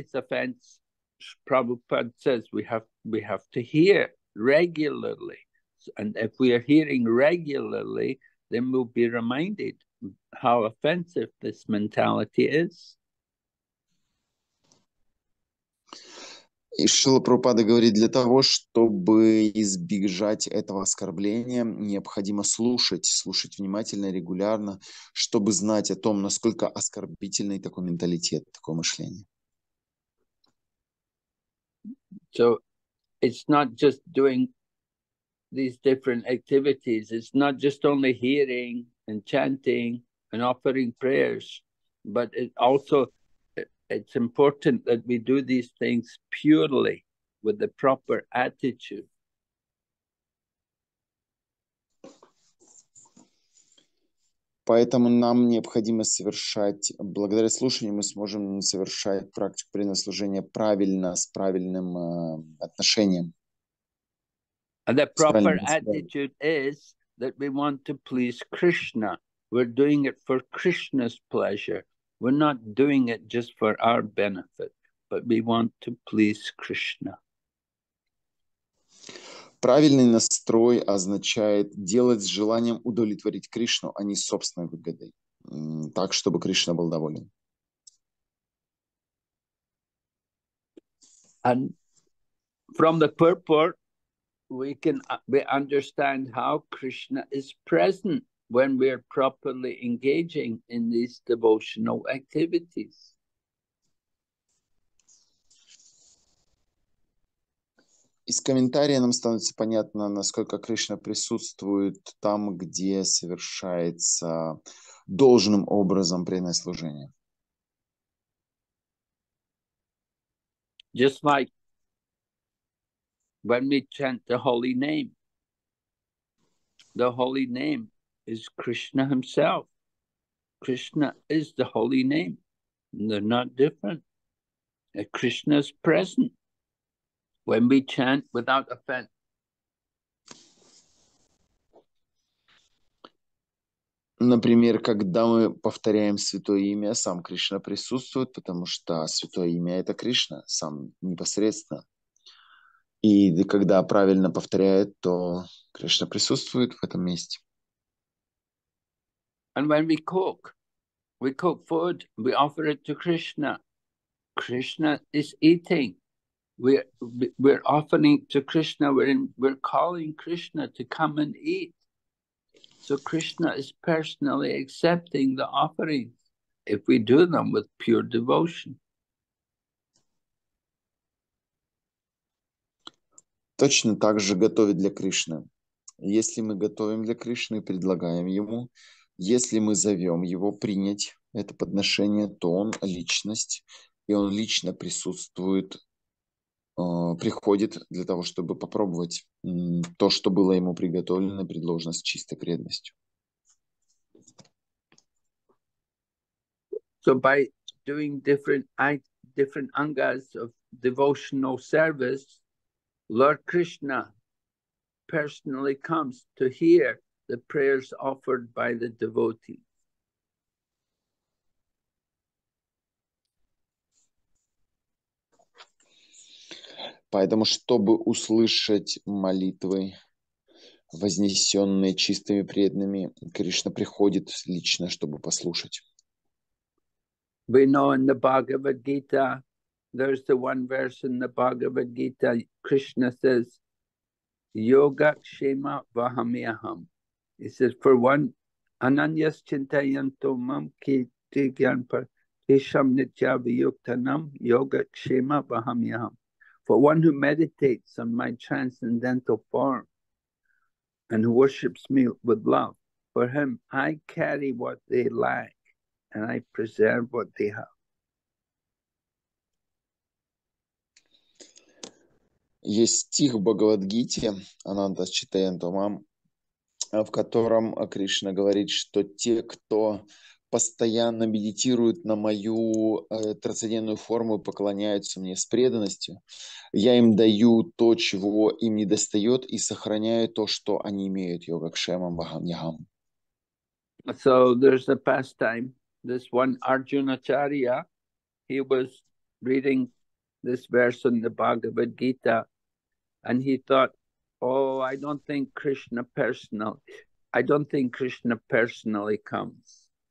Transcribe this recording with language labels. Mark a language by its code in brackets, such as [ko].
[en] Prabhupada says we have to hear regularly, and if we are hearing regularly, then we'll be reminded how offensive this mentality is. [ru] И Шрила Прабхупада говорит, для того, чтобы избежать этого оскорбления, необходимо слушать внимательно, регулярно, чтобы знать о том, насколько оскорбительный такой менталитет, такое мышление. [en] So it's not just doing these different activities. It's not just only hearing and chanting and offering prayers, but it's important that we do these things purely with the proper attitude. [ru] Поэтому нам необходимо совершать, благодаря слушанию мы сможем совершать практику принаслужения правильно, с правильным отношением. [en] And the proper attitude is that we want to please Krishna. We're doing it for Krishna's pleasure, We're not doing it just for our benefit, but we want to please Krishna. [ru] Правильный настрой означает делать с желанием удовлетворить Кришну, а не собственной выгодой, так, чтобы Кришна был доволен. [en] And from the purport, we understand how Krishna is present when we are properly engaging in these devotional activities. [ru] Из комментария нам становится понятно, насколько Кришна присутствует там, где совершается должным образом преданное служение. [en] Just like when we chant the holy name is Krishna himself. Krishna is the holy name. They're not different. Krishna is present. When we chant without offense. [ru] Например, когда мы повторяем святое имя, сам Кришна присутствует, потому что святое имя – это Кришна, сам непосредственно. И когда правильно повторяет, то Кришна присутствует в этом месте. [en] And when we cook food, we offer it to Krishna. Krishna is eating. We're offering to Krishna, we're calling Krishna to come and eat. So Krishna is personally accepting the offerings if we do them with pure devotion. [ru] Точно так же готовит для Кришны. Если мы готовим для Кришны и предлагаем ему, если мы зовем его принять это подношение, то он личность, и он лично присутствует, приходит для того, чтобы попробовать то, что было ему приготовлено, предложено с чистой преданностью. [en] So by doing different angas of devotional service, Lord Krishna personally comes to hear the prayers offered by the devotee. [ru] Поэтому, чтобы услышать молитвы, вознесенные чистыми преданными, Кришна приходит лично, чтобы послушать. [en] We know in the Bhagavad Gita, there's the one verse in the Bhagavad Gita, Krishna says, [sa] Yoga Kshema Vahamyaham. [en] He says, for one, [sa] Ananyas Chintayanto Mam Kirti Gyanpa Hisham Nitya Vyuktanam Yoga Kshema Vahamyaham. [en] But one who meditates on my transcendental form and who worships me with love, for him I carry what they lack and I preserve what they have. [ru] Есть стих в Бхагавадгите, [sa] Ананта Читаянтумам, [ru] в котором Кришна говорит, что те, кто постоянно медитируют на мою трансцендентную форму и поклоняются мне с преданностью, я им даю то, чего им не достает, и сохраняю то, что они имеют, [sa] йога кшемам вахамьягам. [en] So there's a pastime. This one Arjunacharya, he was reading this verse in the Bhagavad Gita, and he thought, oh, I don't think Krishna personally comes.